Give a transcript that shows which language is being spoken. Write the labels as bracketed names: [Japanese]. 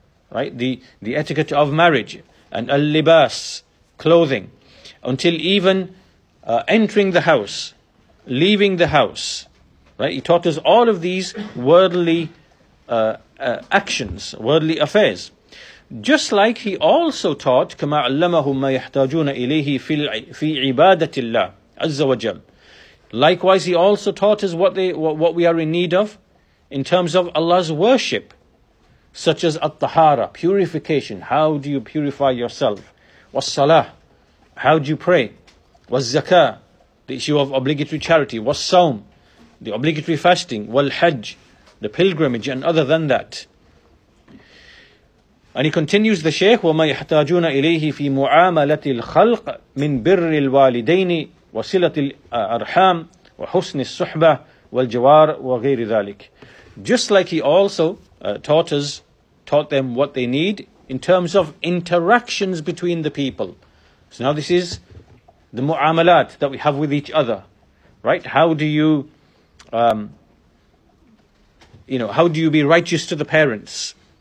[English] right, the etiquette of marriage, and al-libas, clothing, until even entering the house, leaving the house, right, he taught us all of these worldly actions, worldly affairs. Just like he also taught, [Arabic] كَمَا عَلَّمَهُمْ مَا يَحْتَاجُونَ إِلَيْهِ فِي عِبَادَةِ اللَّهِ عَزَّ وَجَلْ. [English] Likewise, he also taught us what we are in need of in terms of Allah's worship, such as at-tahara, purification. How do you purify yourself? Was-salah, how do you pray? Was-zakah, the issue of obligatory charity. Was-sawm, the obligatory fasting. Wal-hajj, the pilgrimage, and other than that. And he continues, the Shaykh, [Arabic] وَمَا يَحْتَاجُونَ إِلَيْهِ فِي مُعَامَلَةِ الْخَلْقِ مِنْ بِرِّ الْوَالِدَيْنِ وَسِلَةِ الْأَرْحَامِ وَحُسْنِ الصُّحْبَةِ وَالْجَوَارِ وَغَيْرِ ذَلِكِ. [English] Just like he also taught them what they need in terms of interactions between the people. So now this is the mu'amalat that we have with each other, right? How do you, how do you be righteous to the parents?